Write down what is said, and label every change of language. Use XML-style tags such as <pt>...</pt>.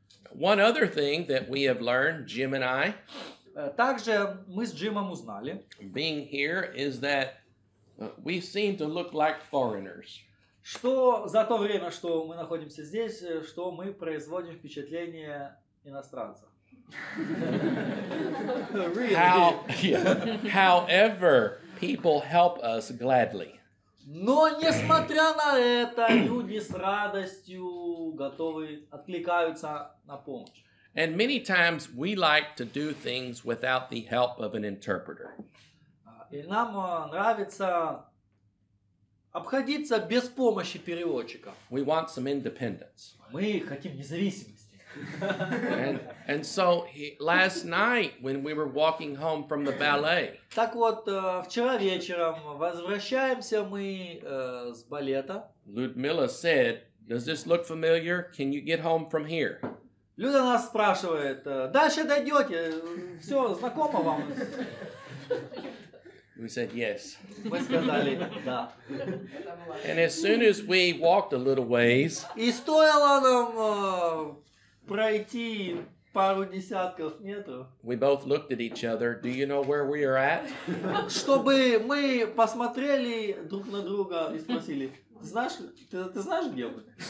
<en>One other thing that we have learned, Jim and I.</en> <ru>Также мы с Джимом узнали.</ru> <en>Being here is that we seem to look like foreigners.</en> <ru>Что за то время, что мы находимся здесь, что мы производим впечатление иностранца.</ru> <en>Really? How, yeah. However, people help us gladly.</en> <ru>Но несмотря на это, люди с радостью готовы откликаются на помощь.</ru> <en>And many times we like to do things without the help of an interpreter.</en> <ru>И нам нравится обходиться без помощи переводчика.</ru> <en>We want some independence.</en> <ru>Мы хотим независимости.</ru> <en>And so last night when we were walking home from the ballet.</en> <ru>Так вот, вчера вечером возвращаемся мы с балета.</ru> <en>Людмила said, "Does this look familiar? Can you get home from here?"</en> <ru>Люда нас спрашивает, дальше дойдете, все, знакомо вам?</ru> <en>We said yes.</en> <ru>Мы сказали да.</ru> <en>And as soon as we walked a little ways,</en> <ru>и стоило нам пройти пару десятков метров,</ru> <en>we both looked at each other, do you know where we are at?</en> <ru>Чтобы мы посмотрели друг на друга и спросили, Ты знаешь, где мы?</ru>